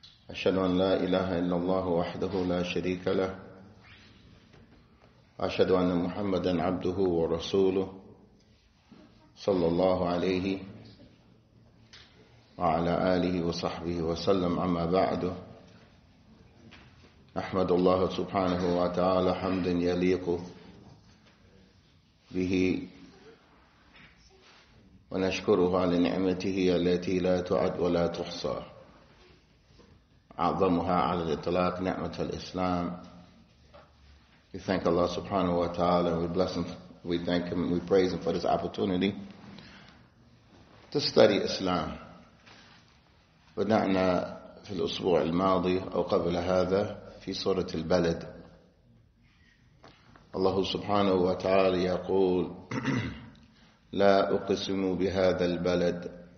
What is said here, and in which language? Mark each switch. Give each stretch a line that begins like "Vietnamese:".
Arabic: أشهد أن لا إله إلا الله وحده لا شريك له، أشهد أن محمدا عبده ورسوله صلى الله عليه وعلى آله وصحبه وسلم، أما بعد، أحمد الله سبحانه وتعالى حمدا يليق به ونشكره على نعمته التي لا تعد ولا تحصى، أعظمها على الإطلاق نعمة الإسلام.
English: We thank Allah
Arabic: سبحانه وتعالى
English: and we bless him, we thank him and we praise him for this opportunity to study Islam.
Arabic: بدأنا في الأسبوع الماضي أو قبل هذا في سورة البلد. الله سبحانه وتعالى يقول لا أقسم بهذا البلد.